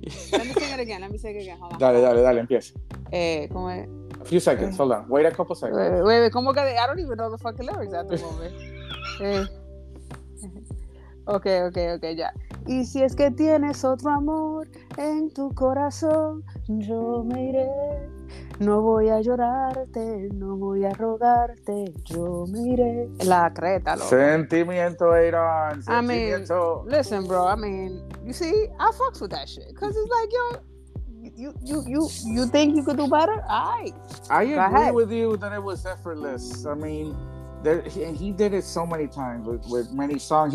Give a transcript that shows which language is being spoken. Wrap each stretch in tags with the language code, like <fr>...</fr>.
<en>Let me sing it again. Hold on.</en> <es>Dale, empieza. ¿Cómo es?</es> <en>A few seconds, hold on. Wait a couple seconds.</en> <es>Wait, ¿cómo que?</es> <en>I don't even know the fucking lyrics at the moment.</en> <es>Okay, ya. Y si es que tienes otro amor en tu corazón, yo me iré. No voy a llorarte, no voy a rogarte, yo me iré. La creta, loco. Sentimiento.</es> <en>I mean, listen, bro, I mean, you see, I fucks with that shit. Because it's like, yo, you think you could do better? I agree with you that it was effortless. I mean, he did it so many times with many songs.</en>